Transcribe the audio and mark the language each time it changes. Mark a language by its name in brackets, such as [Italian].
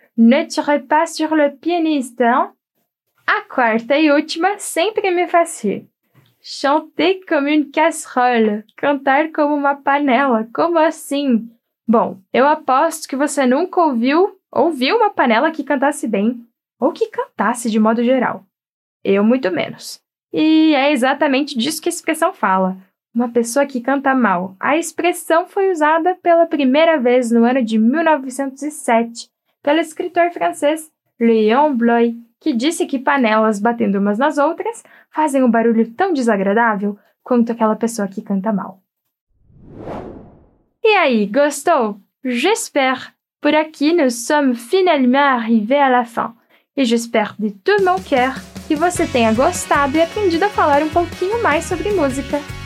[French] Ne tirez pas sur le pianiste, hein? [Portuguese] A quarta e última sempre me faz rir. [French] Chanter comme une casserole. [Portuguese] Cantar como uma panela. Como assim? Bom, eu aposto que você nunca ouviu uma panela que cantasse bem. Ou que cantasse de modo geral. Eu muito menos. E é exatamente disso que a expressão fala. Uma pessoa que canta mal. A expressão foi usada pela primeira vez no ano de 1907 pelo escritor francês Léon Bloy, que disse que panelas batendo umas nas outras fazem um barulho tão desagradável quanto aquela pessoa que canta mal. E aí, gostou? [French] J'espère! [Portuguese] Por aqui, [French] nous sommes finalement arrivés à la fin. [Portuguese] E [French] j'espère de tout mon cœur [Portuguese] que você tenha gostado e aprendido a falar um pouquinho mais sobre música.